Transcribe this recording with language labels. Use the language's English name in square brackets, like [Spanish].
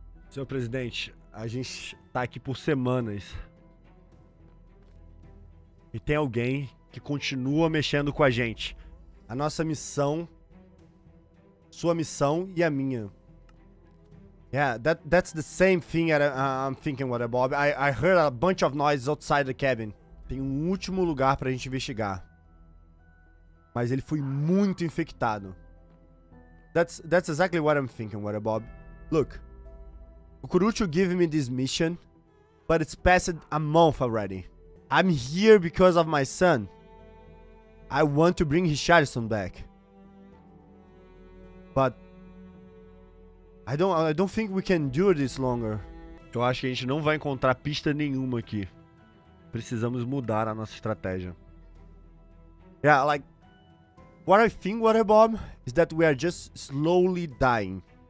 [Portuguese] Senhor presidente, a gente tá aqui por semanas. E tem alguém que continua mexendo com a gente. A nossa missão, sua missão e a minha. [English] Yeah, that's the same thing that I'm thinking, Water Bob. I heard a bunch of noises outside the cabin. [Portuguese] Tem um último lugar pra gente investigar. Mas ele foi muito infectado. [English] That's exactly what I'm thinking, Water Bob. Look, Cucurucho gave me this mission, but it's passed a month already. I'm here because of my son. I want to bring his Charleston back. But I don't think we can do this longer. [Portuguese] Eu acho que a gente não vai encontrar pista nenhuma aqui. Precisamos mudar a nossa estratégia. [English] Yeah, like, what I think, Water Bob, is that we are just slowly dying.